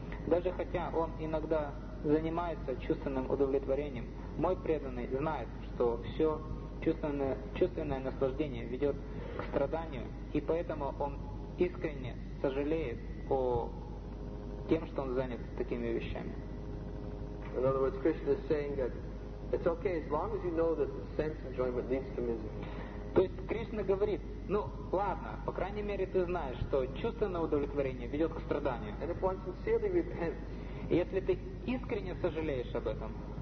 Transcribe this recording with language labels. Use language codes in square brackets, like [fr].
[ru] Даже хотя он иногда занимается чувственным удовлетворением, мой преданный знает, что все чувственное наслаждение ведет к страданию, и поэтому он искренне сожалеет о тем, что он занят такими вещами. [en] In other words, Krishna is saying that it's okay as long as you know that the sense enjoyment leads to misery. [ru] То есть Кришна говорит: ну ладно, по крайней мере ты знаешь, что чувственное удовлетворение ведет к страданию. [en] And if one sincerely repents, [ru] и если ты искренне сожалеешь об этом,